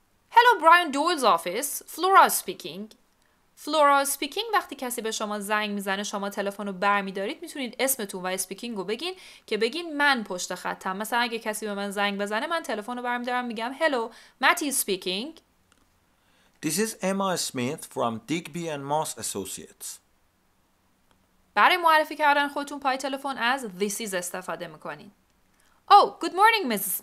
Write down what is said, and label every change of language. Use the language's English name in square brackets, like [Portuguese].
[English] Hello, Brian Doyle's office. Flora speaking. [Persian] Flora speaking وقتی کسی به شما زنگ میزنه شما تلفن رو برمیدارید میتونید اسمتون و speaking رو بگین که بگین من پشت خطم مثلا اگه کسی به من زنگ بزنه من تلفن رو برمیدارم میگم [English] Hello, Matty speaking This is Emma Smith from Digby and Moss Associates [Persian] برای معرفی کردن خودتون پای تلفن از This is استفاده میکنین [English] Oh, good morning Mrs.